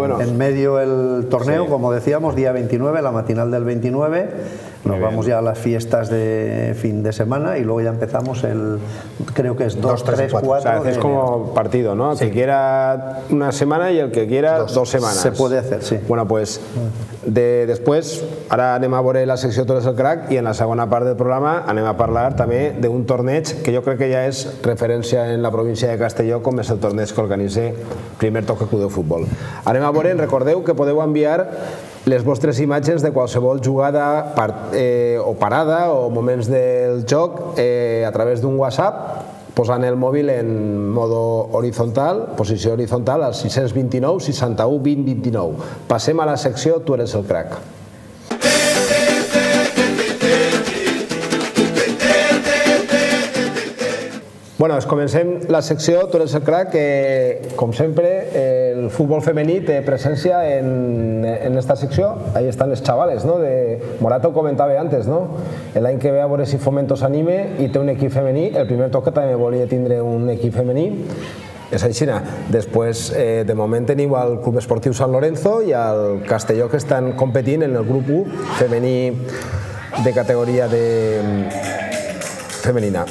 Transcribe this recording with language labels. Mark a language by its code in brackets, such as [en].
[es] En medio el torneo, sí, como decíamos, día 29, la matinal del 29. Nos vamos ya a las fiestas de fin de semana y luego ya empezamos el, creo que es 2, 3, 4. O sea, es como partido, ¿no? Sí. El que quiera una semana y el que quiera dos semanas. Se puede hacer, sí. [ca] Bueno, pues después, ahora anem a veure la secció Tu eres el crac y en la segona part del programa anem a parlar també d'un torneig que jo crec que ja és referència en la província de Castelló, com és el torneig que organitza Primer Toque Club de Futbol. Anem a veure, recordeu que podeu enviar les vostres imatges de qualsevol jugada o parada o moments del joc a través d'un WhatsApp, posant el mòbil en modo horitzontal, posició horitzontal, al 629 61 20 29. Passem a la secció Tu eres el crac. Bueno, es comencem la secció Tu eres el crac, que com sempre el futbol femení té presència en esta secció. [es] Ahí están les chavales, ¿no? De Morata [ca] ho comentava [es] antes, ¿no? [ca] El any que ve a veure si Fomento s'anime i té un equip femení. El primer toque també volia tindre un equip femení. és aixina. Després, de moment teniu el Club Esportiu Sant Lorenzo i el Castelló, que estan competint en el grup 1 femení de categoria de femenina.